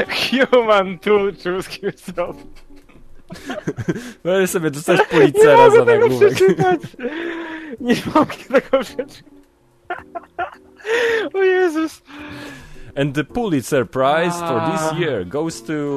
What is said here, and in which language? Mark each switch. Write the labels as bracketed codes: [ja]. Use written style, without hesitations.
[en] Human tool choose himself. [pl] Mogę sobie dostać policera za nagłówek. Nie mogę tego przeczytać. O Jezus. [en] And the Pulitzer Prize for this year goes to...